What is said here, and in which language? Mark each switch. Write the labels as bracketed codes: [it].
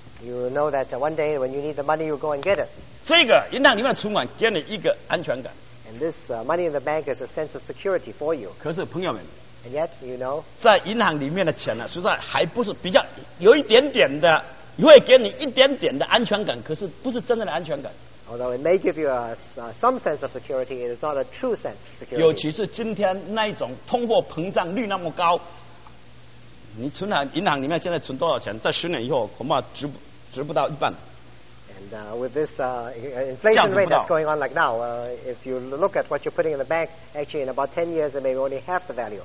[en] You know that one day when you need the money, you go and get it. [zh] 这个银行里面存款给你一个安全感。 [en] And this money in the bank is a sense of security for you. [zh] 可是朋友们 [en] ，And yet you know， [zh] 在银行里面的钱呢、啊，实在还不是比较有一点点的，会给你一点点的安全感，可是不是真正的安全感。 [en] Although it may give you some sense of security, it is not a true sense of security. [zh] 尤其是今天那一种通货膨胀率那么高，你存在银行里面现在存多少钱，在十年以后恐怕值不到一半。 [en] And with this inflation rate that's going on like now, if you look at what you're putting in the bank, actually in about 10 years, it may be only half the value.